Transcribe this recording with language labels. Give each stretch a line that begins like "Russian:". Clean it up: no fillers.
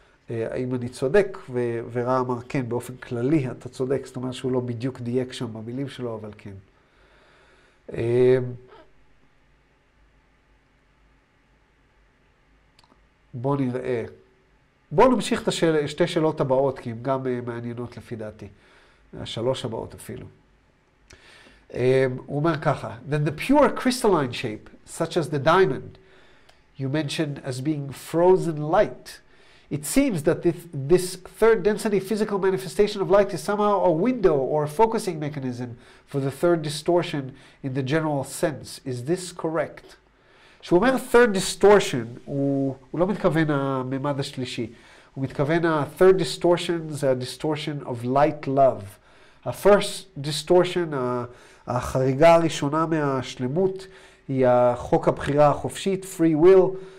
Hebrew: האם אני צודק? ורא אמר, כן, באופן כללי אתה צודק, זאת אומרת שהוא לא בדיוק דייק שם במילים שלו, אבל כן. בוא נראה. בואו נמשיך את שתי שאלות הבאות, כי הן גם מעניינות לפי דעתי. השלוש הבאות אפילו. הוא אומר ככה,
English: then the pure crystalline shape, such as the diamond, you mentioned as being frozen light, it seems that this third density physical manifestation of light is somehow a window or a focusing mechanism for the third distortion in the general sense. Is this correct?
Hebrew: שהוא אומר
English: third distortion,
Hebrew: הוא לא מתכוון הממד השלישי. הוא מתכוון third distortion זה ה-
English: distortion of light love.
Hebrew: ה-first distortion, החריגה הראשונה מהשלמות, היא החוק הבחירה החופשית, free will.